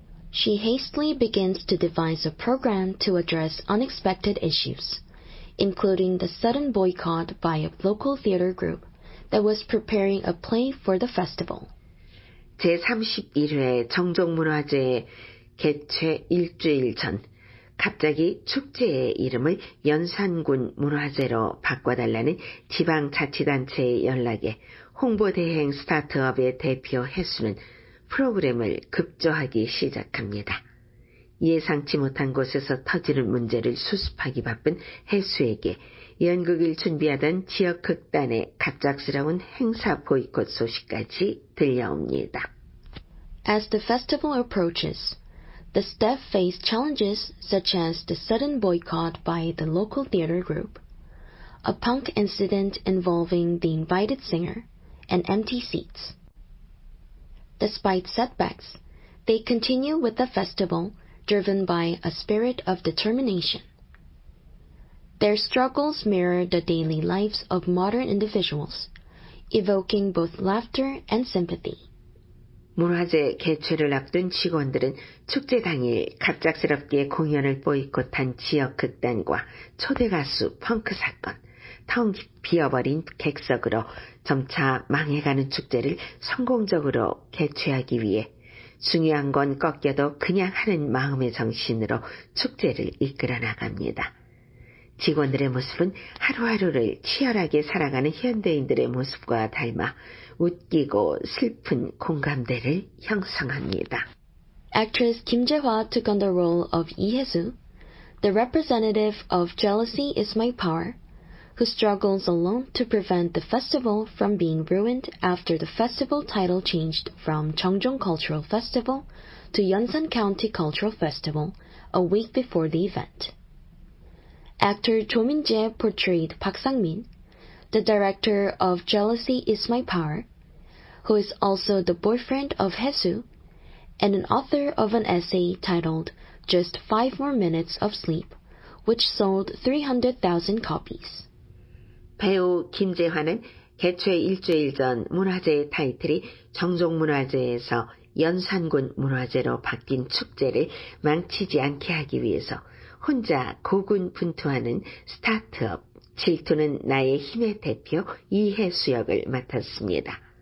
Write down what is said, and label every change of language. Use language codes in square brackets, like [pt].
[en] She hastily begins to devise a program to address unexpected issues, including the sudden boycott by a local theater group that was preparing a play for the festival. [ko] 제31회 정정문화제 개최 일주일 전, 갑자기 축제의 이름을 연산군 문화제로 바꿔달라는 지방자치단체의 연락에 홍보대행 스타트업의 대표 해수는 프로그램을 급조하기 시작합니다. 예상치 못한 곳에서 터지는 문제를 수습하기 바쁜 해수에게 연극을 준비하던 지역극단의 갑작스러운 행사 보이콧 소식까지 들려옵니다. [en] As the festival approaches, the staff face challenges such as the sudden boycott by the local theater group, a punk incident involving the invited singer, and empty seats. Despite setbacks, they continue with the festival driven by a spirit of determination. Their struggles mirror the daily lives of modern individuals, evoking both laughter and sympathy. [ko] 문화제 개최를 앞둔 직원들은 축제 당일 갑작스럽게 공연을 보이콧한 지역 극단과 초대 가수 펑크 사건, 텅 비어버린 객석으로 점차 망해가는 축제를 성공적으로 개최하기 위해 중요한 건 꺾여도 그냥 하는 마음의 정신으로 축제를 이끌어 나갑니다. 직원들의 모습은 하루하루를 치열하게 살아가는 현대인들의 모습과 닮아 웃기고 슬픈 공감대를 형성합니다. [en] Actress Kim Jae-hwa took on the role of Lee Hae-soo, the representative of Jealousy Is My Power, who struggles alone to prevent the festival from being ruined after the festival title changed from Jeongjong Cultural Festival to Yeonsan County Cultural Festival a week before the event. Actor Cho Min-jae portrayed Park Sang-min, the director of Jealousy Is My Power, who is also the boyfriend of Haesu, and an author of an essay titled Just 5 More Minutes of Sleep, which sold 300,000 copies. [ko] 배우 김재환은 개최 일주일 전 문화재의 타이틀이 정종문화재에서 연산군 문화재로 바뀐 축제를 망치지 않게 하기 위해서 혼자 고군분투하는 스타트업 질투는 나의 힘의 대표 이해수 역을 맡았습니다.